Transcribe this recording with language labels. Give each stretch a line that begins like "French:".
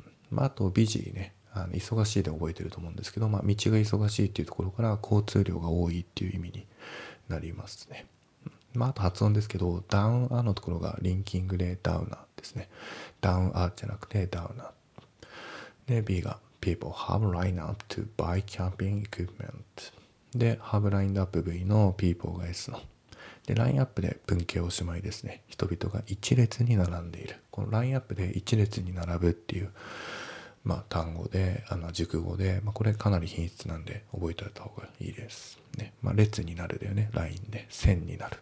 Japanese: まああとビジーね、忙しいで覚えてると思うんですけど、まあ道が忙しいっていうところから交通量が多いっていう意味になりますね。まああと発音ですけど、ダウンアのところがリンキングでダウナーですね。ダウンアじゃなくてダウナー。で、B が
English: People have lined up to buy camping equipment。
Japanese: で、have lined up V の People が S の。で、ラインアップで文型おしまいですね。人々が一列に並んでいる。このラインアップで一列に並ぶっていう、まあ単語で、熟語で、まあこれかなり品質なんで覚えておいた方がいいです。ね。まあ列になるだよね。ラインで。線になる。